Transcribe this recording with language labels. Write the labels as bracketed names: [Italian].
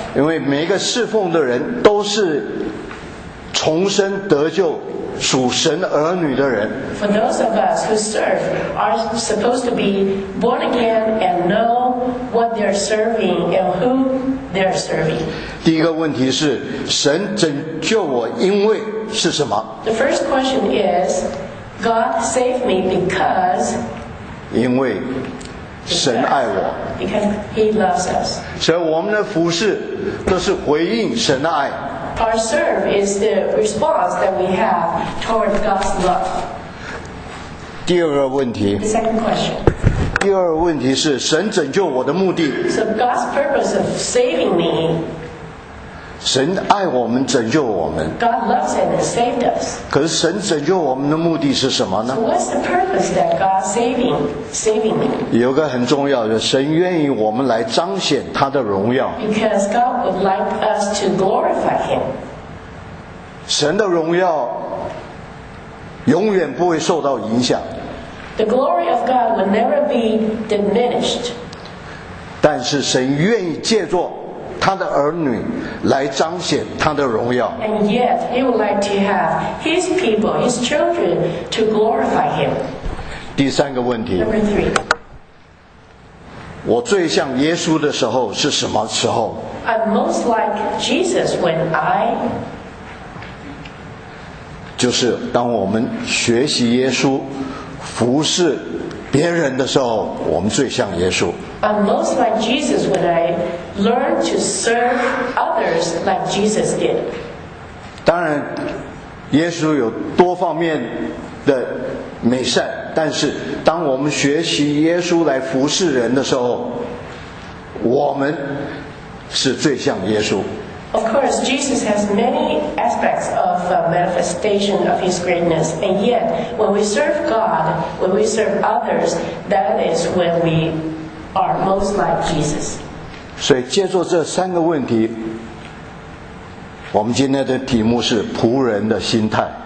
[Chinese] 因为每一个侍奉的人都是重生得救属神儿女的人。 [English] For those of us who serve are supposed to be born again and know what they're serving and who they're serving. [Chinese] 第一个问题是神拯救我因为是什么？ [English] The first question is God saved me because [Chinese] 因为神爱我。 [English] Because he loves us. [Chinese] 所以我们的服事都是回应神的爱。 [English] Our serve is the response that we have toward God's love. [Chinese] 第二个问题。 [English] The second question. [Chinese] 第二个问题是神拯救我的目的。 [English] So God's purpose of saving me. [Chinese] 神爱我们，拯救我们。 [English] God loves and saved us. [Chinese] 可是神拯救我们的目的是什么呢？ [English] So what's the purpose that God saving me? [Chinese] 有个很重要的，神愿意我们来彰显他的荣耀。 [English] Because God would like us to glorify him. [Chinese] 神的荣耀永远不会受到影响。 [English] The glory of God will never be diminished. [Chinese] 但是神愿意借助他的儿女来彰显他的荣耀。 [English] And yet, he would like to have his people, his children, to glorify him. [Chinese] 第三个问题。 [English] Number three. [Chinese] 我最像耶稣的时候是什么时候？ [English] I'm most like Jesus when I... [Chinese] 就是当我们学习耶稣服侍别人的时候，我们最像耶稣。 [English] I'm most like Jesus when I learn to serve others like Jesus did. [Chinese] 当然，耶稣有多方面的美善，但是当我们学习耶稣来服侍人的时候，我们是最像耶稣。 [English] Of course, Jesus has many aspects of manifestation of his greatness, and yet, when we serve God, when we serve others, that is when we are most like Jesus. [Chinese] 所以借助这三个问题，我们今天的题目是仆人的心态。